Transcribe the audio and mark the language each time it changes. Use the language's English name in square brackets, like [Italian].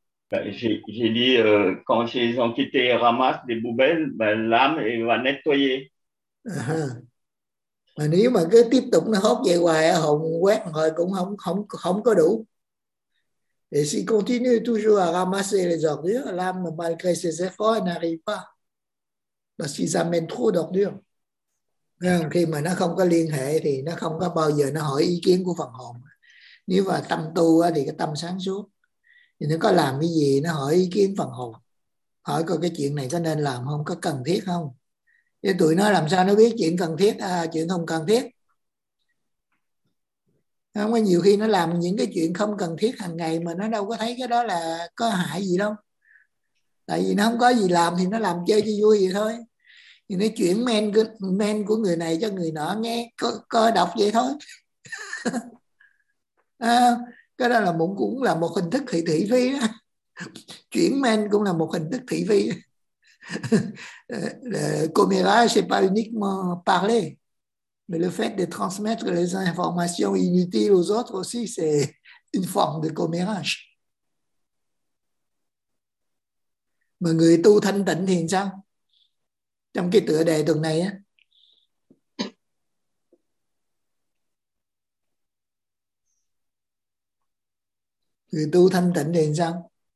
[French] J'ai dit, quand ces entités ramassent des poubelles, l'âme va nettoyer. [Vietnamese] Mà nếu mà cứ tiếp tục nó hốt vậy hoài, hồn quét hồi cũng không có đủ. [French] Et s'il continue toujours à ramasser les ordures, l'âme, malgré ses efforts, n'arrive pas. Parce qu'ils amènent trop d'ordures. [Vietnamese] Khi mà nó không có liên hệ thì nó không có bao giờ nó hỏi ý kiến của phần hồn. Nếu mà tâm tu thì cái tâm sáng suốt. Thì nó có làm cái gì nó hỏi ý kiến phần hồn. Hỏi coi cái chuyện này có nên làm không, có cần thiết không. Thế tụi nó làm sao nó biết chuyện cần thiết, chuyện không cần thiết. Không có nhiều khi nó làm những cái chuyện không cần thiết hàng ngày mà nó đâu có thấy cái đó là có hại gì đâu. Tại vì nó không có gì làm thì nó làm chơi cho vui vậy thôi. thì nó chuyển men của người này cho người nọ nghe, có đọc vậy thôi. À, cái đó là cũng là một hình thức thị phi đó. Chuyển men cũng là một hình thức thị phi. [French] Le commérage n'est pas uniquement parler, mais le fait de transmettre les informations inutiles aux autres aussi, c'est une forme de commérage. [Vietnamese] Mà người tu thanh tịnh thì sao? Trong cái tựa đề tuần này á. Người tu thanh tịnh thì sao?